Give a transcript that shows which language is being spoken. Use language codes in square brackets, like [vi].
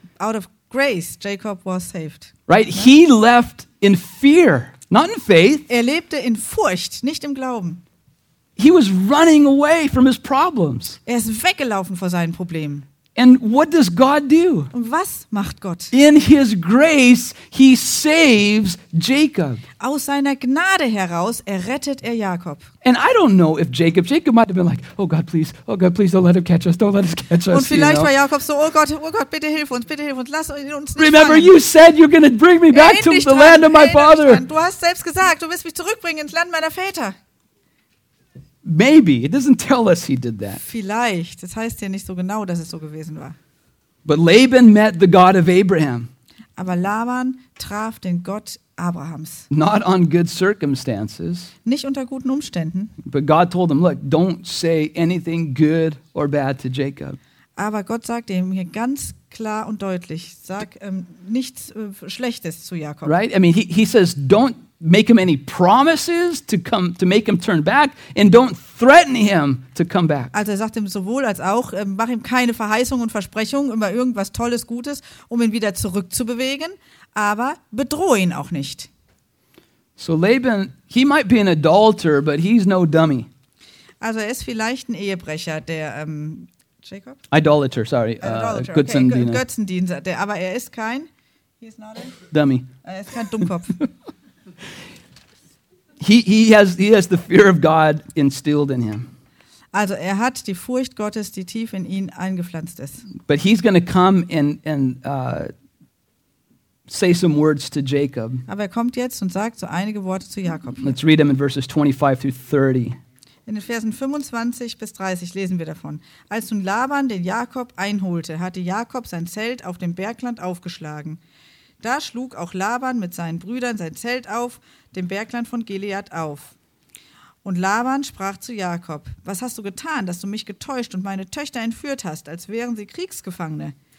[en] Out of grace, Jacob was saved. Right, he left in fear, not in faith. [de] Er lebte in Furcht, nicht im Glauben. [en] He was running away from his problems. [de] Er ist weggelaufen vor seinen Problemen. [en] And what does God do? [de] Und was macht Gott? [en] In his grace, he saves Jacob. [de] Aus seiner Gnade heraus errettet er Jakob. [en] And I don't know if Jacob might have been like, oh God, please, don't let him catch us, don't let us catch us. [de] Und vielleicht war Jakob so, oh Gott, bitte hilf uns, lass uns nicht fangen. [en] Remember, you said you're going to bring me back to the land of my father. [de] Du hast selbst gesagt, du wirst mich zurückbringen ins Land meiner Väter. [en] Maybe it doesn't tell us he did that. [de] Vielleicht, das heißt ja nicht so genau, dass es so gewesen war. [en] But Laban met the God of Abraham. [de] Aber Laban traf den Gott Abrahams. [en] Not on good circumstances. [de] Nicht unter guten Umständen. [en] But God told him, look, don't say anything good or bad to Jacob. [de] Aber Gott sagte ihm hier ganz klar und deutlich, sag nichts Schlechtes zu Jakob. [en] Right? I mean, he says, don't make him any promises to come to make him turn back and don't threaten him to come back. [de] Also er sagt ihm sowohl als auch, mach ihm keine Verheißungen und Versprechungen über irgendwas Tolles, Gutes, um ihn wieder zurückzubewegen, aber bedrohe ihn auch nicht. [en] So Laban, he might be an adulterer, but he's no dummy. [de] Also er ist vielleicht ein Ehebrecher, der Jacob? [en] Idolater, sorry. [de] Götzendiener. Okay. Götzendiener, aber er ist kein Dummy. Er ist kein Dummkopf. [en] He has the fear of God instilled in him. [de] Also er hat die Furcht Gottes, die tief in ihn eingepflanzt ist. [en] But he's going to come and say some words to Jacob. [de] Aber er kommt jetzt und sagt so einige Worte zu Jakob. [en] Let's read them in verses 25 through 30. [de] In den Versen 25 bis 30 lesen wir davon. Als nun Laban den Jakob einholte, hatte Jakob sein Zelt auf dem Bergland aufgeschlagen. Da schlug auch Laban mit seinen Brüdern sein Zelt auf, dem Bergland von Gilead auf. Und Laban sprach zu Jakob, was hast du getan, dass du mich getäuscht und meine Töchter entführt hast, als wären sie Kriegsgefangene?